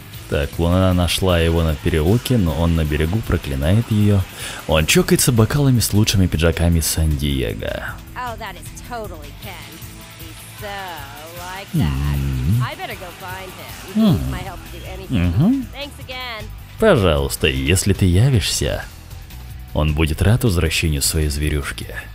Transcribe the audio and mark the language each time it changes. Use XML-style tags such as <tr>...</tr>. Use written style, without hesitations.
<ru>так, вон она нашла его на переулке, но он на берегу проклинает ее. Он чокается бокалами с лучшими пиджаками Сан-Диего.</ru> <en>Oh, that is totally Kent. He's so like that. I better go find him. Might help do anything. Thanks again.</en> <ru>Пожалуйста, если ты явишься, он будет рад возвращению своей зверюшки.</ru>